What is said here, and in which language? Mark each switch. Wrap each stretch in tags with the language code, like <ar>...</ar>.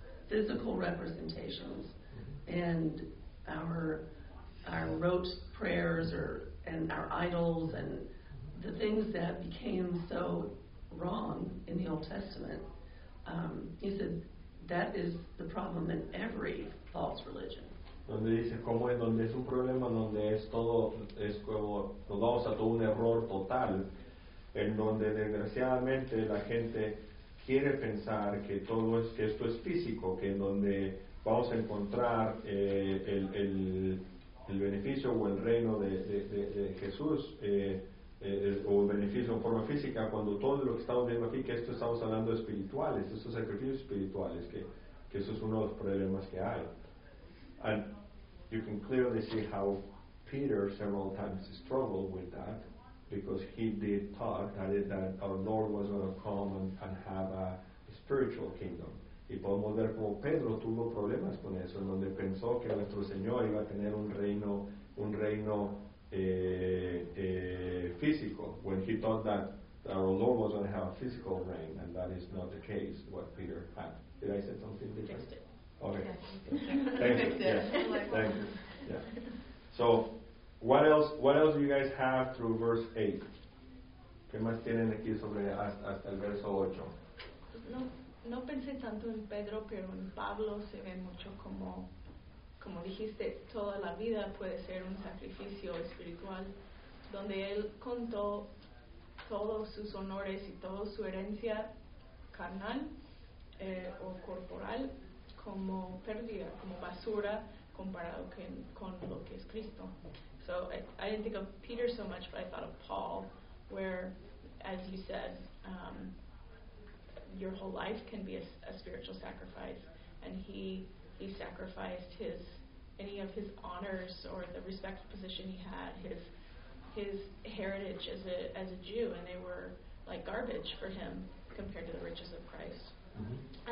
<en>physical representations, mm-hmm. and our rote prayers and our idols and the things that became so wrong in the Old Testament. He said, that is the problem in every false religion.</en> <es>Donde dice cómo es, donde es un problema, donde es todo, es como, nos vamos a todo un error total, en donde desgraciadamente la gente quiere pensar que todo es, que esto es físico, que en donde vamos a encontrar el beneficio o el reino de Jesús, o el beneficio en forma física, cuando todo lo que estamos viendo aquí, que esto estamos hablando de espirituales, estos sacrificios espirituales, que eso es uno de los problemas que hay.</es> <en>And you can clearly see how Peter several times struggled with that, because he did talk that our Lord was going to come and have a spiritual kingdom.</en> <es>Y podemos ver como Pedro tuvo problemas con eso, en donde pensó que nuestro Señor iba a tener un reino físico,</es> <en>when he thought that our Lord was going to have a physical reign, and that is not the case, what Peter had. Did I say something different? Okay. Yeah. Thank you. Yeah. So, what else do you guys have through verse 8?</en> <es>¿Qué más tienen aquí sobre hasta el verso 8? No pensé tanto en Pedro, pero en Pablo se ve mucho como dijiste, toda la vida puede ser un sacrificio espiritual, donde él contó todos sus honores y toda su herencia carnal o corporal como pérdida, como basura, comparado con lo que es Cristo.</es> <en>So I didn't think of Peter so much, but I thought of Paul, where, as you said, your whole life can be a spiritual sacrifice, and he sacrificed any of his honors or the respect position he had, his heritage as a Jew, and they were like garbage for him compared to the riches of Christ. Mm-hmm.</en>